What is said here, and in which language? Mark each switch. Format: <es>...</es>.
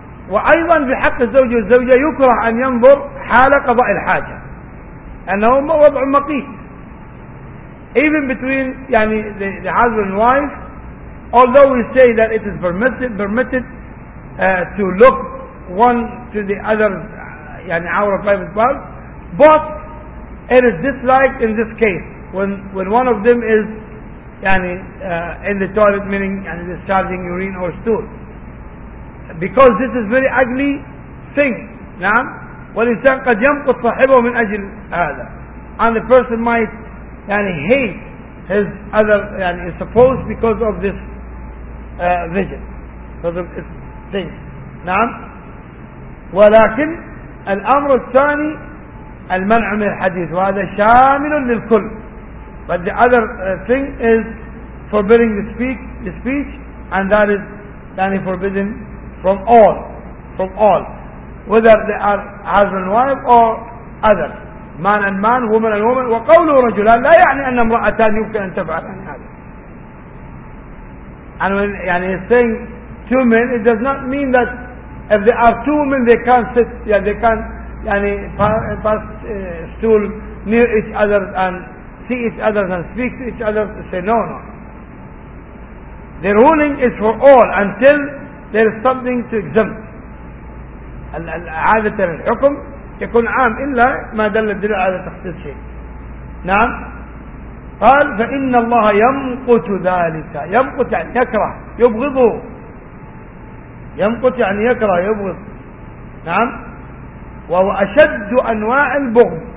<ar>وأيضا في حق الزوج والزوجة يكره أن ينظر حال قضاء الحاجة، أنه وضع مقيت.</ar> <en>Even between يعني the husband and wife, although we say that it is permitted to look one to the other يعني hour of private part, but it is disliked in this case when one of them is يعني in the toilet meaning يعني discharging urine or stool, because this is very ugly thing.</en> <ar>نعم. والإنسان قد يمقت صاحبه من أجل هذا.</ar> <en>And the person might يعني hate his other يعني is supposed because of this vision because of its thing.</en> <ar>نعم. ولكن الأمر الثاني المنع من الحديث، وهذا شامل للكل.</ar> <en>But the other thing is forbidding the speech and that is يعني forbidden from all whether they are husband and wife or others. Man and man, woman and woman.</en> <ar>وقوله رجلان لا يعني أن امرأتان يمكن أن تفعل عن هذا.</ar> <en>And when يعني saying two men, it does not mean that if there are two women they can't sit, yeah, they can't يعني pass stool near each other and see each other and speak to each other. Say no. The ruling is for all until there is something to exempt.</en> <ar>عادة الحكم يكون عام إلا ما دل الدليل على تخصيص شيء. نعم. قال فإن الله يمقت ذلك. يمقت يعني يكره يبغضه. يمقت يعني يكره يبغض. نعم. وهو أشد أنواع البغض.</ar>